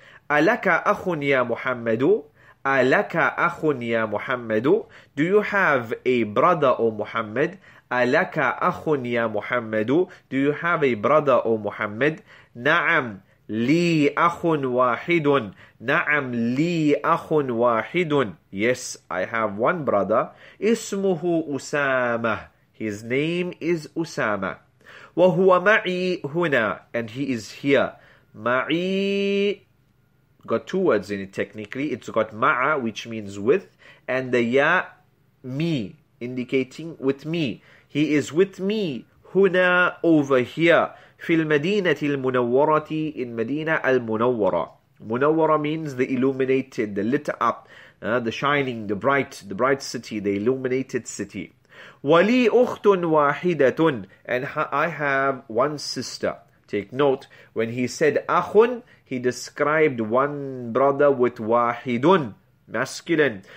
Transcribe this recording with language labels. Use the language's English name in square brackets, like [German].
[Arabic] أَلَكَ أَخٌ يَا مُحَمَّدُ؟ أَلَكَ أَخٌ يَا مُحَمَّدُ؟ [English] Do you have a brother, O Muhammad? [Arabic] أَلَكَ أَخٌ يَا مُحَمَّدُ؟ [English] Do you have a brother, O Muhammad? [Arabic] نعم لي أخ واحد. نعم لي أخ واحد. [English] Yes, I have one brother. [Arabic] اسمه أسامة. [English] His name is Osama. [Arabic] وهو معي هنا. [English] And he is here. معي got two words in it technically. It's got مع, which means with, and the يا me, indicating with me. He is with me هنا, over here. [Arabic] في المدينة المنورة, in مدينة المنورة. [English] منورة means the illuminated, the lit up, the shining, the bright city, the illuminated city. [Arabic] ولي أخت واحدة. [English] And I have one sister. Take note, when he said أخٌ, he described one brother with واحدٌ, masculine.